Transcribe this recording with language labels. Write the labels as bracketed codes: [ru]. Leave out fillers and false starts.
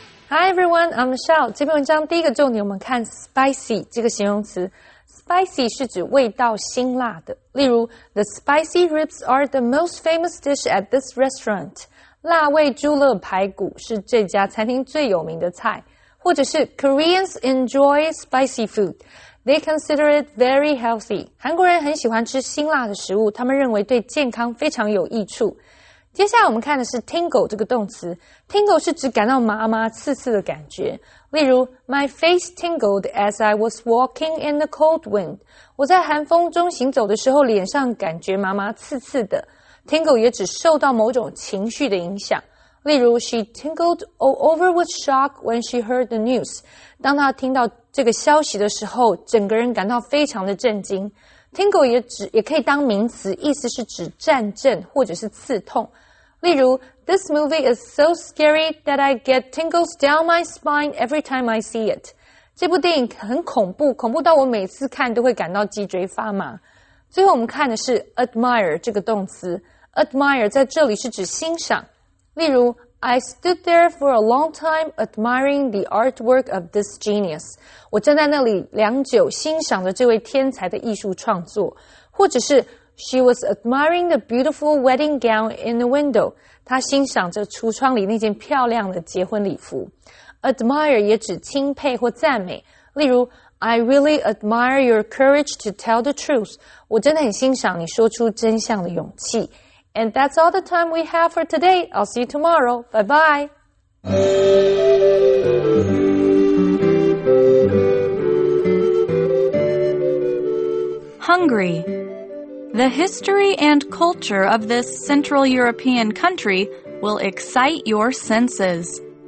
[en] Hi, everyone. everyone, I'm Michelle. [zh] 这篇文章第一个重点我们看 spicy 这个形容词。 Spicy 是指味道辛辣的。例如 [en] ,the spicy ribs are the most famous dish at this restaurant. [zh] 辣味猪肋排骨是这家餐厅最有名的菜。或者是 [en] Koreans enjoy spicy food. They consider it very healthy. [zh] 韩国人很喜欢吃辛辣的食物，他们认为对健康非常有益处。接下来我们看的是 tingle 这个动词。tingle 是指感到麻麻刺刺的感觉。例如 [en] ,my face tingled as I was walking in the cold wind. [zh] 我在寒风中行走的时候脸上感觉麻麻刺刺的。 tingle 也指受到某种情绪的影响。例如 [en] ,she tingled all over with shock when she heard the news. [zh] 当她听到这个消息的时候整个人感到非常的震惊。 Tingle 也可以当名词，意思是指战阵或者是刺痛。例如 [en] ,This movie is so scary that I get tingles down my spine every time I see it. [zh] 这部电影很恐怖，恐怖到我每次看都会感到脊椎发麻。最后我们看的是 admire 这个动词。admire 在这里是指欣赏。例如 [en] ,I stood there for a long time admiring the artwork of this genius. [zh] 我站在那里良久欣赏着这位天才的艺术创作。或者是 [en] She was admiring the beautiful wedding gown in the window. [zh] 她欣赏着橱窗里那件漂亮的结婚礼服。 Admire 也指钦佩或赞美。例如 [en] I really admire your courage to tell the truth. [zh] 我真的很欣赏你说出真相的勇气。 [en] And that's all the time we have for today. I'll see you tomorrow. Bye bye. Hungary. The history and culture of this Central European country will excite your senses.